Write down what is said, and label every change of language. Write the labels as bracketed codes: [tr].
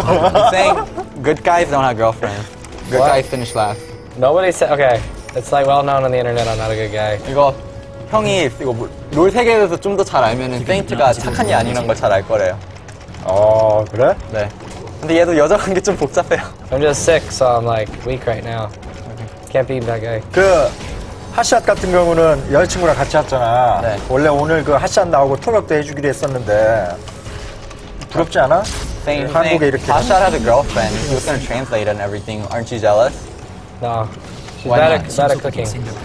[en] He's saying good guys don't have girlfriends. Good guy finish last. Nobody said okay. It's like well known on the internet. I'm not a good guy. [ko] 이거 형이 이거 롤 세계에서 좀 더 잘 알면은 페인트가 착한이 아니란 걸 잘 알 거래요. 그래? 네. 근데 얘도 여자 관계 좀 복잡해요. [en] I'm just sick, so I'm like weak right now. Can't beat that guy. [ko] 그 핫샷 같은 경우는 여자친구랑 같이 왔잖아. 네. 원래 오늘 그 핫샷 나오고 통역도 해주기로 했었는데 부럽지 않아? [en] Hashad has a girlfriend. He was gonna translate and everything. Aren't you jealous? No. She's bad at cooking.